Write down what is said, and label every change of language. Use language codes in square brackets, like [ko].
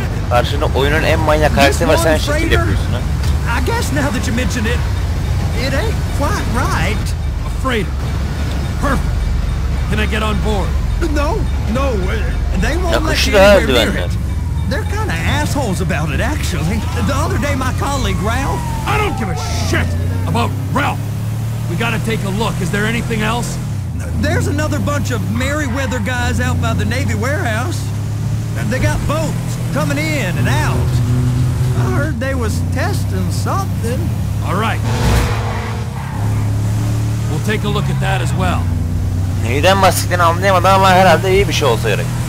[tr] Karşında oyunun en manyak karakteri var, sen şekil yapıyorsun ha. [en] I guess now that you mention it, it ain't quite right. A freighter. Perfect. Can I get on board? No, no. They won't let you anywhere near it. They're kind of assholes about it, actually. The other day, my colleague Ralph. I don't give a shit about Ralph. We gotta take a look. Is there anything else? There's another bunch of Merryweather guys out by the Navy warehouse. They got boats coming in and out. I heard they was testing something. All right. We'll take a look at that as well. [tr] Neyden bahsettiğini anlayamadım ama herhalde iyi bir şey olsa gerek.